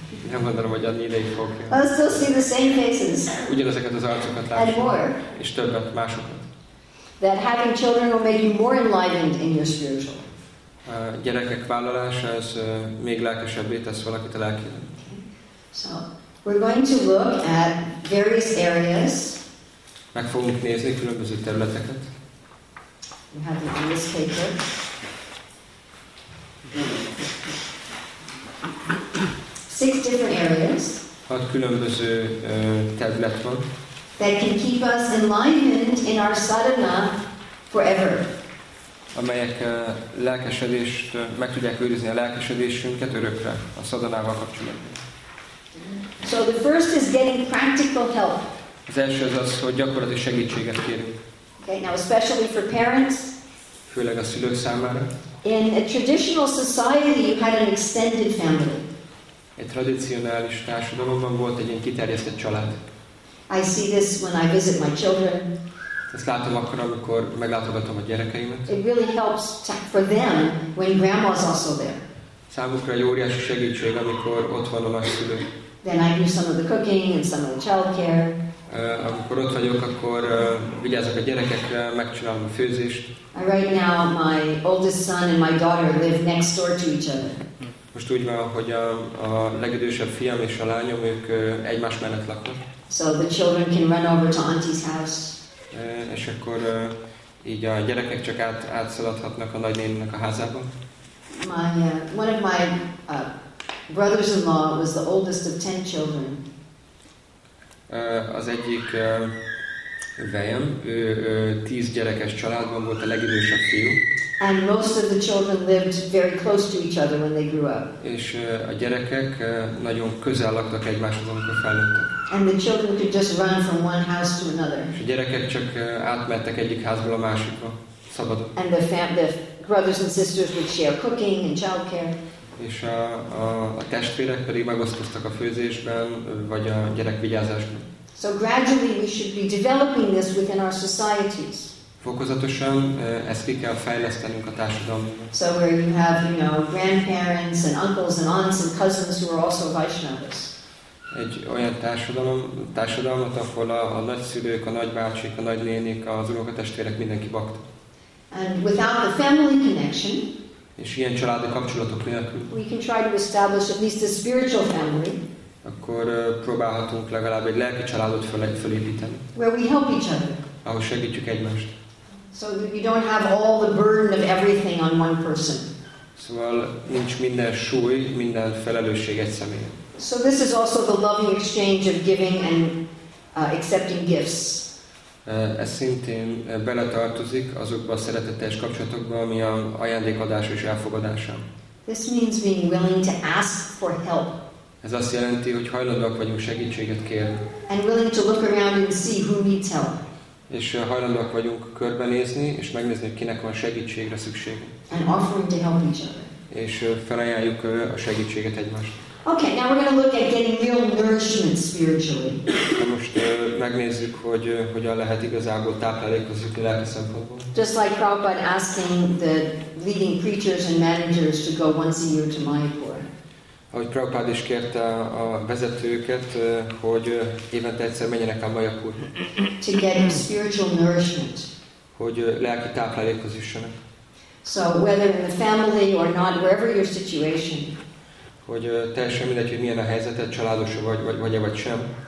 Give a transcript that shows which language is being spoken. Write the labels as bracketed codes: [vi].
[hu] Nem gondolom, hogy annyi ideig fog. [en] I'll still see the same faces. [hu] Ugyanezeket az arcokat lássa. [en] And more. [hu] És többet, másokat. [en] That having children will make you more enlightened in your spiritual. [hu] A gyerekek vállalása, ez még lelkesebbé tesz valakit a lelkére. [en] So, we're going to look at various areas. [hu] Meg fogunk nézni különböző területeket. [en] You have it in this paper. So 6 different areas. [hu] 6 különböző terület van. [en] That can keep us enlightened in our sadhana forever. [hu] Amelyek lelkesedést meg tudják őrizni a lelkesedésünket örökre a szadanával kapcsolatban. [en] So the first is getting practical help. [hu] Az első az az, hogy gyakorlati segítséget kérünk. [en] Okay, now especially for parents. [hu] Főleg a szülők számára. [en] In a traditional society, you had an extended family. [hu] Egy tradicionális társadalomban volt egy ilyen kiterjesztett család. [en] I see this when I visit my children. [hu] Ezt látom akkor, amikor meglátogatom a gyerekeimet. [en] It really helps for them when grandma's also there. [hu] Számukra egy óriási segítség, amikor ott van a nagyszülő. [en] Then I do some of the cooking and some of the childcare. [hu] Amikor ott vagyok, akkor vigyázok a gyerekekre, megcsinálom a főzést. [en] Right now, my oldest son and my daughter live next door to each other. [hu] Most úgy van, hogy a legidősebb fiam és a lányom, ők egymás mellett laknak. [en] So the children can run over to auntie's house. [hu] És akkor így a gyerekek csak átszaladhatnak a nagynéninek a házába. [en] One of my brothers-in-law was the oldest of 10 children. [hu] Az egyik vejem, ő 10 gyerekes családban volt a legidősebb fiú. [en] And most of the children lived very close to each other when they grew up. [hu] És a gyerekek nagyon közel laktak egymáshoz, amikor felnőttek. [en] And the children could just run from one house to another. [hu] És a gyerekek csak átmentek egyik házból a másikba, szabadon. [en] And the brothers and sisters would share cooking and childcare. [hu] És a testvérek pedig megosztottak a főzésben, vagy a gyerekvigyázásban. [en] So gradually we should be developing this within our societies. [hu] Fokozatosan ezt ki kell fejlesztenünk a társadalomban. [en] So where you have, you know, grandparents and uncles and aunts and cousins who are also Vaishnavas. [hu] Egy olyan társadalmat, ahol a nagyszülők, a nagybácsik, a nagynénik, az unokatestvérek, mindenki bakta. [en] And without the family connection, [hu] és ilyen családi kapcsolatok nélkül, [en] we can try to establish at least a spiritual family, [hu] akkor próbálhatunk legalább egy lelki családot felépíteni, [en] where we help each other, [hu] ahol segítjük egymást. [en] So that we don't have all the burden of everything on one person. [hu] Szóval nincs minden súly, minden felelősség egy személyen. [en] So this is also the loving exchange of giving and accepting gifts. [hu] Ez szintén beletartozik azokba a szeretetes kapcsolatokba, ami a ajándékadás és elfogadása. [en] This means being willing to ask for help. [hu] Ez azt jelenti, hogy hajlandóak vagyunk segítséget kérni. [en] And willing to look around and see who needs help. [hu] És hajlandóak vagyunk körbenézni és megnézni, hogy kinek van segítségre szükség. [en] And offering to help each other. [hu] És felajánljuk a segítséget egymást. [en] Okay, now we're going to look at getting real nourishment spiritually. [hu] De most megnézzük, hogy hogyan lehet igazából táplálékozni lelki szempontból. [en] Just like Prabhupada asking the leading preachers and managers to go once a year to Mayapur. [hu] Ahogy Prabhupada is kérte a vezetőket, hogy évente egyszer menjenek a Mayapurba. [en] To get spiritual nourishment. [hu] Hogy lelki táplálékozzanak. [en] So whether in the family or not, wherever your situation. [hu] Hogy teljesen mindegy, hogy milyen a helyzeted, családos vagy sem.